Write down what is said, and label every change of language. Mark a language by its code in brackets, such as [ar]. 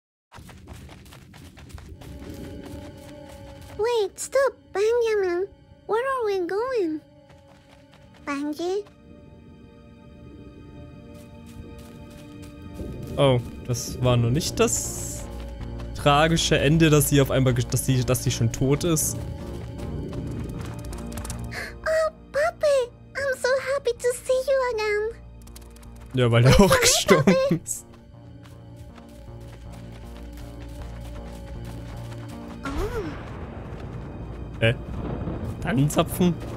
[en] Wait, stop, Benjamin. Where are we going? Benji? [de] Oh, das war nur nicht das tragische Ende, dass sie auf einmal, dass sie schon tot ist. [en] Oh, Papi, I'm so happy to see you again. [de] Ja, weil er auch gestorben ist. Oh. Tannenzapfen?